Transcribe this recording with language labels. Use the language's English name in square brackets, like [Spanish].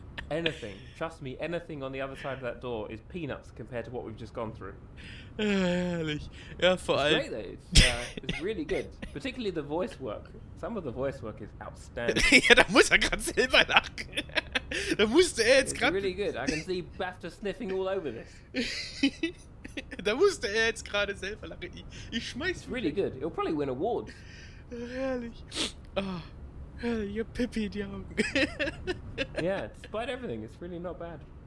[English] Anything, trust me, anything on the other side of that door is peanuts compared to what we've just gone through. [German] Herrlich. Ja, vor allem. [English] It's great, though. It's really good. Particularly the voice work. Some of the voice work is outstanding. [German] Ja, da muss er gerade selber lachen. Da musste er jetzt gerade. [English] It's really good. I can see BAFTA sniffing all over this. [German] Da musste er jetzt gerade selber lachen. Ich schmeiß. [English] It's really good. It'll probably win awards. Herrlich. Oh. You're pippy, young. Yeah, despite everything, it's really not bad.